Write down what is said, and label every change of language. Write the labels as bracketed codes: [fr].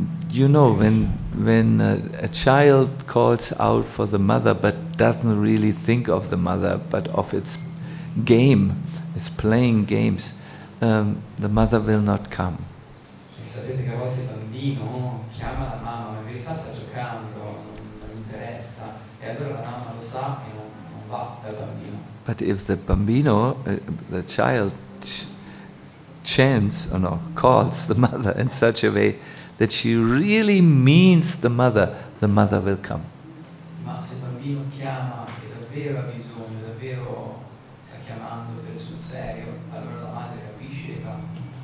[en] You know, when a child calls out for the mother but doesn't really think of the mother but of its game, it's playing games, the mother will not come. [it] Sapete che a volte il bambino chiama la mamma, ma in realtà sta giocando, non interessa, e allora la mamma lo sa e non va dal bambino. [en] But if the bambino, the child chants or no, calls the mother in such a way that she really means the mother will come. [it] Ma se il bambino chiama che davvero ha bisogno, davvero sta chiamando per sul serio, allora la madre capisce e va.